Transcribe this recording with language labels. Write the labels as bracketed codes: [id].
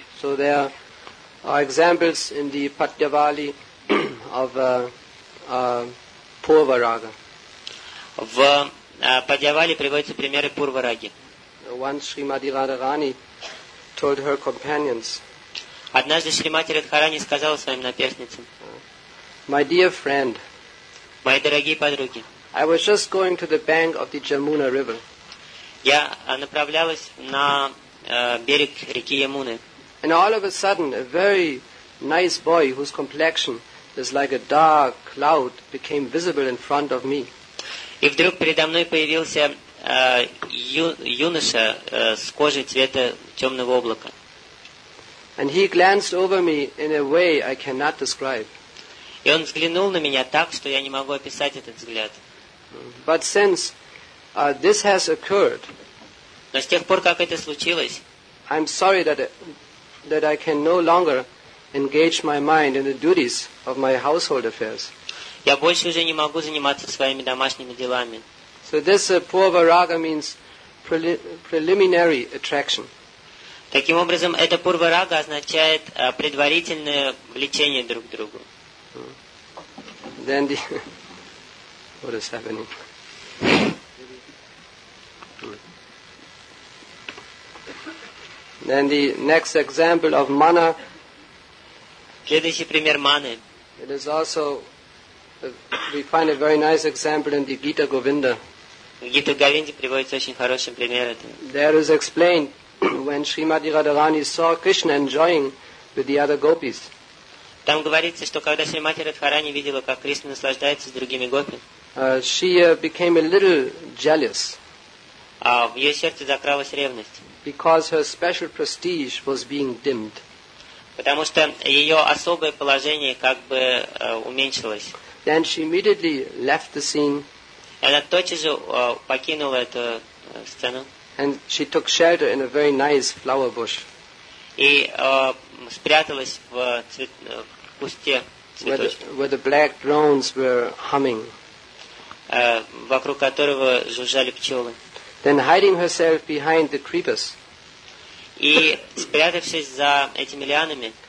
[en] So there are examples in the Patyavali of Purvaraga. [ru] В Падьявале приводятся примеры Пурвараги. [en] Once Shrimati Radharani told her companions. [ru] Однажды Шримати Радхарани сказала своим наперсницам. [en] My dear friend. [ru] Мои дорогие подруги. [en] I was just going to the bank of the Jamuna River. [ru] Я направлялась на берег реки Ямуны. [en] And all of a sudden, a very nice boy whose complexion is like a dark cloud became visible in front of me. [ru] И вдруг передо мной появился юноша с кожей цвета темного облака. [en] And he glanced over me in a way I cannot describe. [ru] И он взглянул на меня так, что я не могу описать этот взгляд. [en] But since this has occurred, [ru] но с тех пор, как это случилось, [en] I'm sorry that I can no longer engage my mind in the duties of my household affairs. [ru] Я больше уже не могу заниматься своими домашними делами. [en] So this Purvaraga means preliminary attraction. [ru] Таким образом, это Purvaraga означает предварительное влечение друг к другу. [en] Then the... What is happening? Then the next example of mana. [ru] Следующий пример маны. [en] It is also... We find a very nice example in the Gita Govinda. [ru] В Гита Говинде приводится очень хороший пример этого. [en] There is explained when Shrimati Radharani saw Krishna enjoying with the other gopis. [ru] Там говорится, что когда Шримати Радхарани видела, как Кришна наслаждается с другими гопи, [en] she became a little jealous. [ru] А в ее сердце закралась ревность. [en] Because her special prestige was being dimmed. [ru] Потому что ее особое положение как бы уменьшилось. [en] Then she immediately left the scene. [ru] Она тотчас же покинула эту сцену. [en] And she took shelter in a very nice flower bush. [ru] И спряталась в кусте цветочка. [en] Where the black drones were humming. [ru] Вокруг которого жужжали пчелы. [en] Then hiding herself behind the creepers. [ru] И спрятавшись за этими лианами,